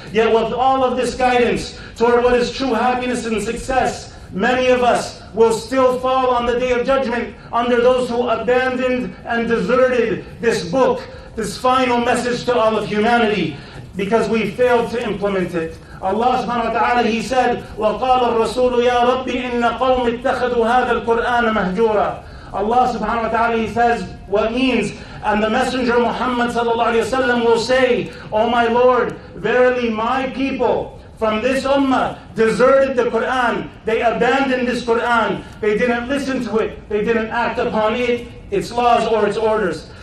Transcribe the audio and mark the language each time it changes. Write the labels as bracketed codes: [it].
[en] Yet with all of this guidance toward what is true happiness and success, many of us will still fall on the Day of Judgment under those who abandoned and deserted this book, this final message to all of humanity, because we failed to implement it. Allah subhanahu wa ta'ala, he said, [ar] وَقَالَ الرَّسُولُ يَا رَبِّ إِنَّ قَوْمِ اتَّخَذُوا هَذَا الْقُرْآنَ مَهْجُورًا. [en] Allah subhanahu wa ta'ala, he says, what means, and the Messenger Muhammad sallallahu alayhi wa sallam will say, oh my Lord, verily my people from this ummah deserted the Quran. They abandoned this Quran. They didn't listen to it. They didn't act upon it, its laws or its orders.